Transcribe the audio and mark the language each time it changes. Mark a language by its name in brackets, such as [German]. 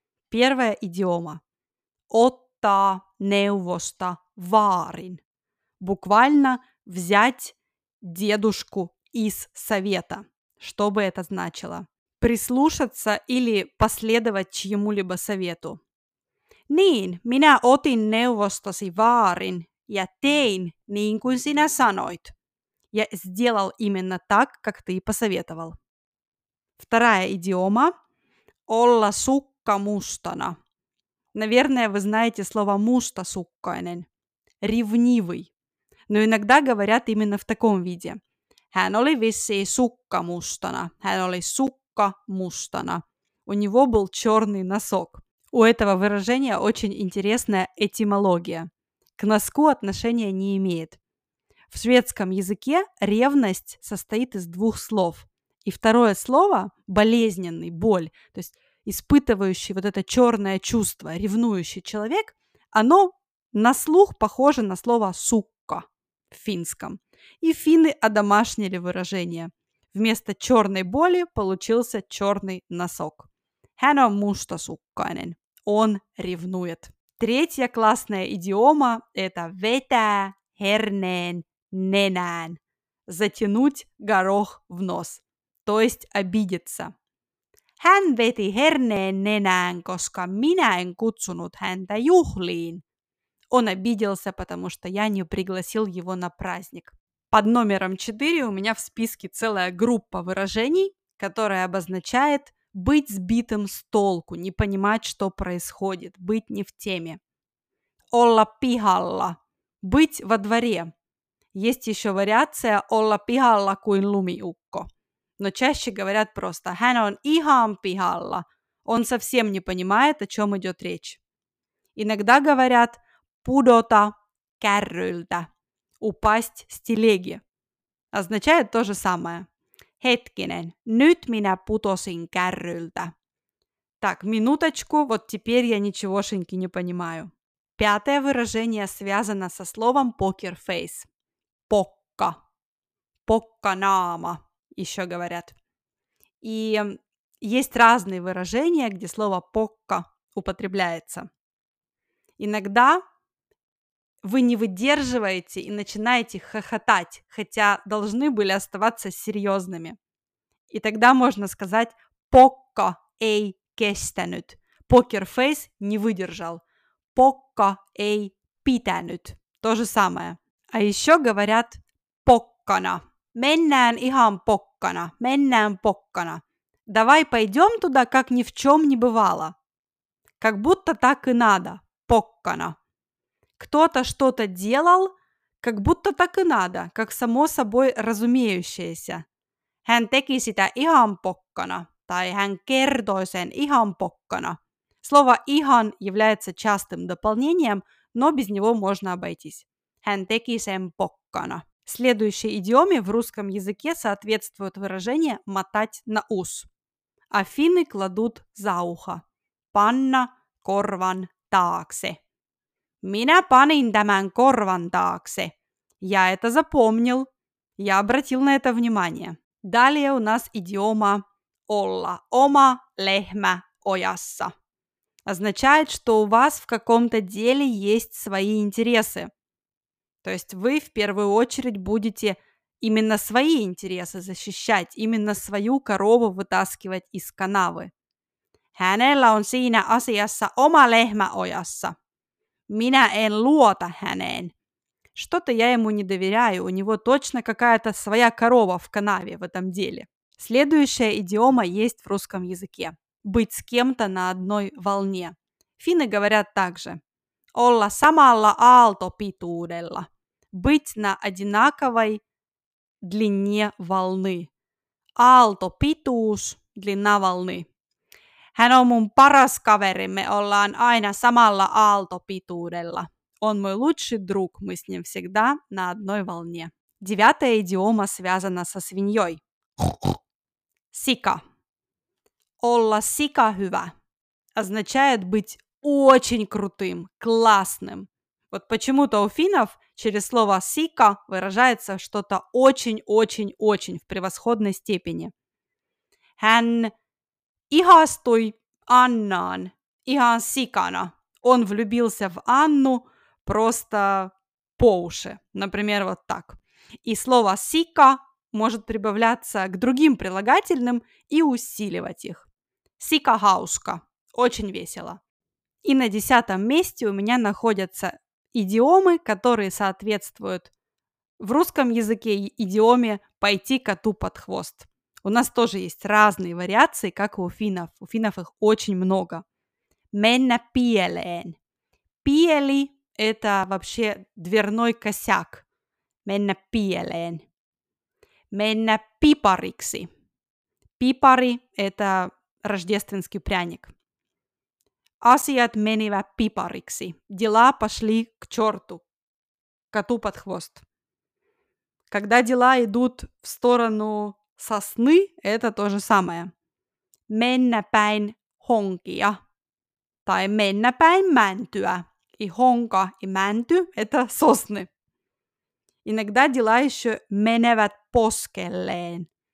[Russian] Первая идиома – [Finnish] «otta neuvosta vaarin» [Russian] – буквально «взять дедушку из совета». Что бы это значило? Прислушаться или последовать чьему-либо совету. [Finnish] Niin, minä otin neuvostosi vaarin ja tein niin kuin sinä sanoit. [Russian] Я сделал именно так, как ты и посоветовал. Вторая идиома. [Finnish] Olla sukka mustana. [Russian] Наверное, вы знаете слово mustasukkainen. Ревнивый. Но иногда говорят именно в таком виде. [Finnish] Hän oli vissiin sukka mustana. Hän oli sukka mustana. [Russian] У него был черный носок. У этого выражения очень интересная этимология. К носку отношения не имеет. В шведском языке ревность состоит из двух слов. И второе слово – болезненный, боль, то есть испытывающий вот это черное чувство, ревнующий человек, оно на слух похоже на слово «сукка» в финском. И финны одомашнили выражение. Вместо черной боли получился черный носок. [Finnish] Hän on mustasukkainen. [Russian] Он ревнует. Третья классная идиома – это [Finnish] vetää herneen nenään. [Russian] Затянуть горох в нос, то есть обидеться. [Finnish] Hän veti herneen nenään, koska minä en kutsunut häntä juhliin. [Russian] Он обиделся, потому что я не пригласил его на праздник. Под номером 4 у меня в списке целая группа выражений, которая обозначает быть сбитым с толку, не понимать, что происходит, быть не в теме. [Finnish] Olla pihalla. [Russian] Быть во дворе. Есть еще вариация [Finnish] olla pihalla kuin lumiukko. [Russian] Но чаще говорят просто [Finnish] hän on ihan pihalla. [Russian] Он совсем не понимает, о чем идет речь. Иногда говорят [Finnish] pudota kärryltä. [Russian] Упасть с телеги. Означает то же самое. [Finnish] Hetkinen, nyt minä putosin kärryltä. [Russian] Так, минуточку, вот теперь я ничегошеньки не понимаю. Пятое выражение связано со словом poker face. Покка. Покканаама, еще говорят. И есть разные выражения, где слово покка употребляется. Иногда вы не выдерживаете и начинаете хохотать, хотя должны были оставаться серьезными. И тогда можно сказать [Finnish] «покка ei kestänyt». [Russian] «Покер фейс» не выдержал. [Finnish] «Покка ei pitänyt». [Russian] То же самое. А еще говорят [Finnish] «поккана». «Меннään ihan pokkana». «Меннään pokkana». [Russian] «Давай пойдем туда, как ни в чем не бывало». «Как будто так и надо». «Поккана». Кто-то что-то делал, как будто так и надо, как само собой разумеющееся. [Finnish] Hän teki sitä ihan pokkana, tai hän kertoi sen ihan pokkana. [Russian] Слово ihan является частым дополнением, но без него можно обойтись. [Finnish] Hän teki sen pokkana. [Russian] Следующей идиоме в русском языке соответствует выражение мотать на ус. А финны кладут за ухо. [Finnish] Panna korvan taakse. Minä panin tämän korvan taakse. [Russian] Я это запомнил. Я обратил на это внимание. Далее у нас идиома [Finnish] olla oma lehmä ojassa. [Russian] Означает, что у вас в каком-то деле есть свои интересы. То есть вы в первую очередь будете именно свои интересы защищать, именно свою корову вытаскивать из канавы. [Finnish] Hänellä on siinä asiassa oma lehmä ojassa. Minä en luota häneen. [Russian] Что-то я ему не доверяю, у него точно какая-то своя корова в канаве в этом деле. Следующая идиома есть в русском языке. Быть с кем-то на одной волне. Финны говорят также. [Finnish] Olla samalla aaltopituudella. [Russian] Быть на одинаковой длине волны. Aaltopituus, длина волны. [Finnish] Hän on mun paras kaveri, me ollaan aina samalla aaltopituudella. [Russian] Он мой лучший друг, мы с ним всегда на одной волне. Девятая идиома связана со свиньей. Сика. [Finnish] Olla sika hyvä [Russian] означает быть очень крутым, классным. Вот почему-то у финнов через слово сика выражается что-то очень-очень-очень в превосходной степени. [Finnish] Hän ihastui Annaan ihan sikana. [Russian] Он влюбился в Анну просто по уши. Например, вот так. И слово сика может прибавляться к другим прилагательным и усиливать их. [Finnish] Сика хауска. [Russian] Очень весело. И на десятом месте у меня находятся идиомы, которые соответствуют в русском языке идиоме «пойти коту под хвост». У нас тоже есть разные вариации, как и у финнов. У финнов их очень много. [Finnish] Mennä pieleen. [Russian] Пиели – это вообще дверной косяк. [Finnish] Mennä pieleen. Mennä pipariksi. [Russian] Пипари – это рождественский пряник. [Finnish] Asiat menivät pipariksi. [Russian] Дела пошли к черту. Коту под хвост. Когда дела идут в сторону сосны, это то же самое. [Finnish] Mennä päin honkia. Tai mennä päin mäntyä. [Russian] И honka, и mänty – это сосны. Иногда дела еще [Finnish] menevät poskelleen.